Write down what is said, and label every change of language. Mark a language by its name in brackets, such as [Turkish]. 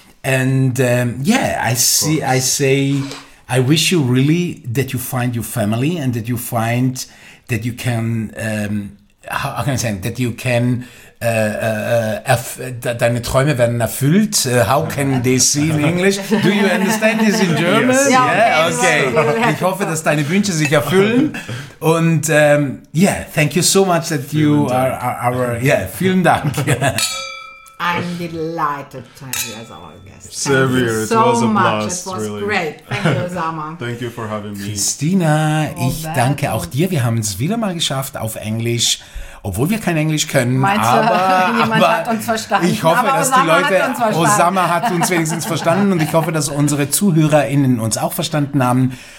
[English] And I wish you really that you find your family and that you find that you can, how can I say, that you can, [German] deine Träume werden erfüllt. [English] How can they see in English? Do you understand this in German? Yes. Yeah, okay. [German] Ich hoffe, dass deine Wünsche sich erfüllen. [English] Und yeah, thank you so much that you are our, yeah, [German] vielen Dank. [English] I'm delighted to have you as our guest. Thank you so much. It was really great. Thank you, Osama. Thank you for having me. [German] Christina, danke auch dir. Wir haben es wieder mal geschafft auf Englisch. Obwohl wir kein Englisch können. Meinst du, jemand hat uns verstanden? Ich hoffe, dass die Leute, Osama hat uns wenigstens verstanden. Und ich hoffe, dass unsere ZuhörerInnen uns auch verstanden haben.